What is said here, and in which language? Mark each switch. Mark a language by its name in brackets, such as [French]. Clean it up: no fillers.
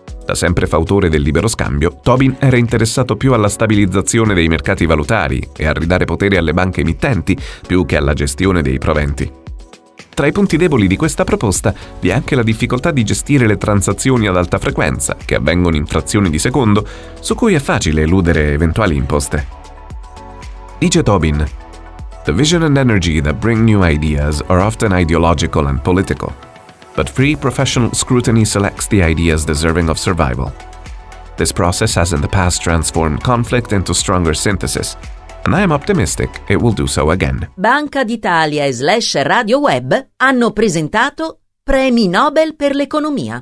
[Italian] da sempre fautore del libero scambio, Tobin era interessato più alla stabilizzazione dei mercati valutari e a ridare potere alle banche emittenti più che alla gestione dei proventi. Tra i punti deboli di questa proposta vi è anche la difficoltà di gestire le transazioni ad alta frequenza, che avvengono in frazioni di secondo, su cui è facile eludere eventuali imposte. Dice [English] Tobin: "The vision and energy that bring new ideas are often ideological and political, but free professional scrutiny selects the ideas deserving of survival. This process has in the past transformed conflict into stronger synthesis, and I am optimistic it will do so again." [Italian] Banca d'Italia e / Radio Web hanno presentato Premi Nobel per l'economia.